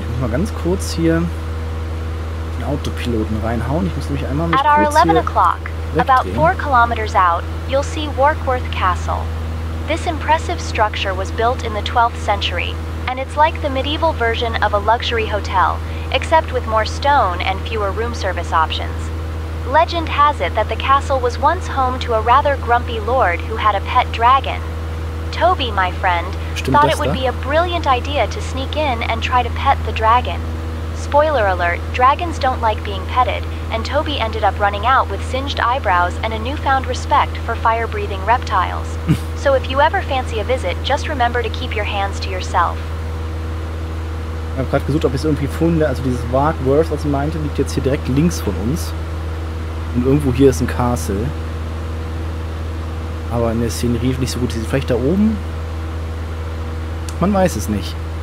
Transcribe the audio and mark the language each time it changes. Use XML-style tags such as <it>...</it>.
<de>Ganz kurz hier den Autopiloten reinhauen. Ich muss nämlich einmal mich kurz hier wegdrehen.</de> <en>About 4 kilometers out, you'll see Warkworth Castle. This impressive structure was built in the 12th century, and it's like the medieval version of a luxury hotel, except with more stone and fewer room service options. Legend has it that the castle was once home to a rather grumpy lord who had a pet dragon. Toby, my friend, thought it would be a brilliant idea to sneak in and try to pet the dragon. Spoiler alert, dragons don't like being petted, and Toby ended up running out with singed eyebrows and a newfound respect for fire-breathing reptiles. So if you ever fancy a visit, just remember to keep your hands to yourself.</en> <de>Ich habe gerade gesucht, ob ich es irgendwie finde. Also dieses Warkworth, was ich meinte, liegt jetzt hier direkt links von uns. Und irgendwo hier ist ein Castle. Aber in der Szenerie nicht so gut. Sie sind vielleicht da oben? Man weiß es nicht.</de>